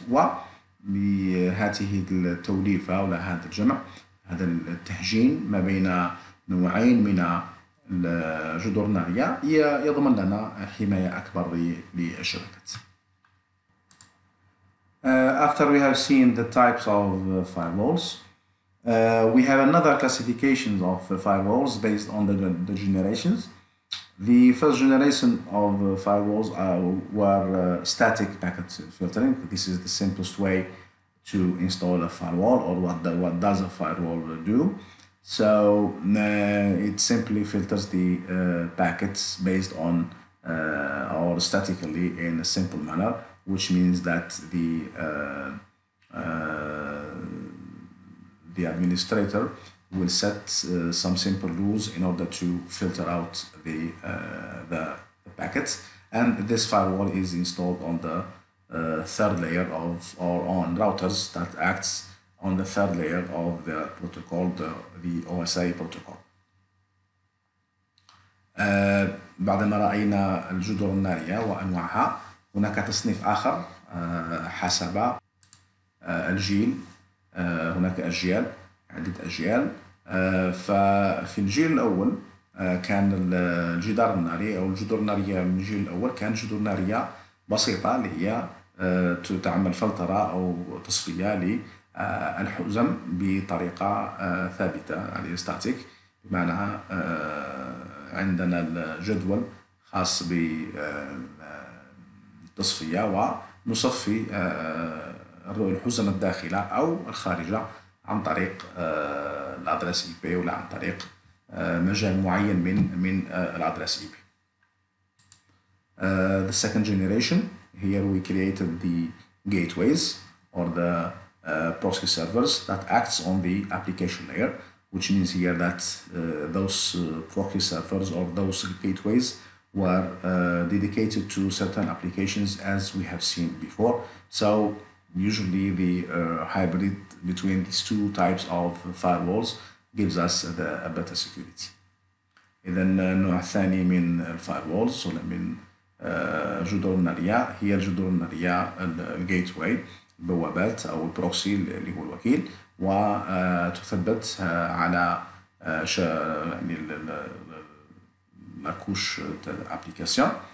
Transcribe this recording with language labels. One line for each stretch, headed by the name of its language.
Arabic: وبهذه التوليفة ولا هذا الجمع هذا التهجين ما بين نوعين من الجدر النارية يضمن لنا حماية أكبر للشبكات.
English: After we have seen the types of firewalls, we have another classification of firewalls based on the generations. The first generation of firewalls were static packet filtering. This is the simplest way to install a firewall or what does a firewall do. So it simply filters the packets based on or statically in a simple manner, which means that the administrator will set some simple rules in order to filter out the packets, and this firewall is installed on the third layer of or on routers that acts on the third layer of the protocol, the OSI protocol.
Arabic: بعدما رأينا الجدر النارية وأنواعها، هناك تصنيف آخر حسب الجيل، هناك أجيال، عدة أجيال. ففي الجيل الأول كان الجدار الناري أو الجدر النارية، من الجيل الأول كان جدر نارية بسيطة اللي هي تعمل فلترة أو تصفية للحزم بطريقة ثابتة على الستاتيك، بمعنى عندنا الجدول خاص بالتصفية ونصفي الحزم الداخلة أو الخارجة عن طريق الادرس اي بي، ولا عن طريق مجال معين من الادرس اي بي.
English: The second generation, here we created the gateways or the proxy servers that acts on the application layer, which means here that those proxy servers or those gateways were dedicated to certain applications as we have seen before. So usually the hybrid between these two types of firewalls gives us a better security.
Arabic: اذا النوع الثاني من الفايروالز ولا من جدر النارية، هي الجدر النارية الجيتواي، البوابات او البروكسي اللي هو الوكيل، وتثبت على يعني لاكوش تاع الابليكاسيون.